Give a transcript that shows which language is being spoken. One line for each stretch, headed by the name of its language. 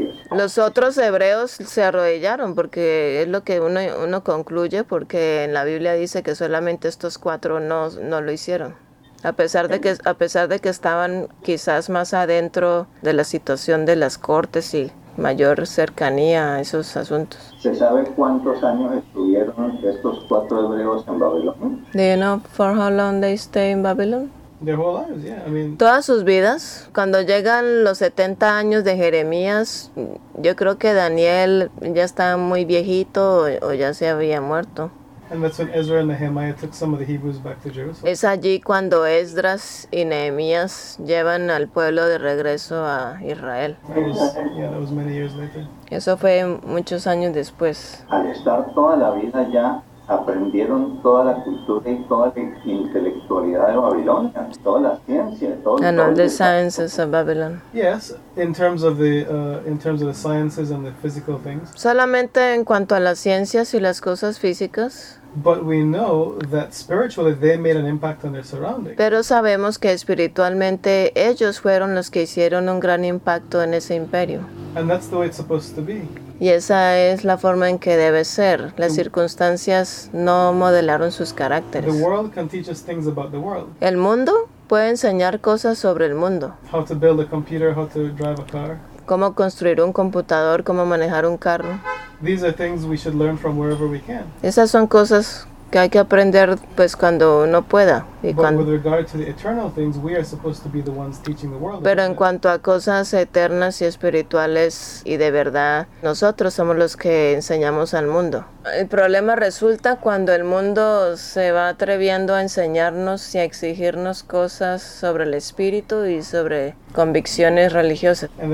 Spanish: Los otros hebreos se arrodillaron porque es lo que uno concluye porque en la Biblia dice que solamente estos cuatro no lo hicieron a pesar de que estaban quizás más adentro de la situación de las cortes y mayor cercanía a esos asuntos. ¿Se sabe cuántos años estuvieron estos cuatro hebreos en Babilonia?
English: Do you know for how long they stay in Babylon? Their whole lives, yeah. I mean,
Spanish: todas sus vidas. Cuando llegan los 70 años de Jeremías, yo creo que Daniel ya está muy viejito o ya se había muerto.
English: And that's when Ezra and Nehemiah took some of the Hebrews back to Jerusalem.
Spanish: Es allí cuando Esdras y Nehemías llevan al pueblo de regreso a Israel.
English: That was many years later.
Spanish: Eso fue muchos años después. Al estar toda la vida ya. Aprendieron toda la cultura y toda la intelectualidad de Babilonia, toda la ciencia, todo.
English: And all the sciences of Babylon. Yes, in terms of the sciences and the physical things.
Spanish: Solamente en cuanto a las ciencias y las cosas físicas.
English: But we know that spiritually they made an impact on their surroundings.
Spanish: Pero sabemos que espiritualmente ellos fueron los que hicieron un gran impacto en ese imperio.
English: And that's the way it's supposed to be.
Spanish: Y esa es la forma en que debe ser. Las circunstancias no modelaron sus caracteres.
English: The world can teach us things about the world.
Spanish: El mundo puede enseñar cosas sobre el mundo.
English: How to build a computer, how to drive a car.
Spanish: Cómo construir un computador, cómo manejar un carro.
English: These are things we should learn from wherever we can.
Spanish: Esas son cosas que hay que aprender pues cuando uno pueda. Pero en cuanto a cosas eternas y espirituales y de verdad, nosotros somos los que enseñamos al mundo. El problema resulta cuando el mundo se va atreviendo a enseñarnos y a exigirnos cosas sobre el espíritu y sobre convicciones religiosas.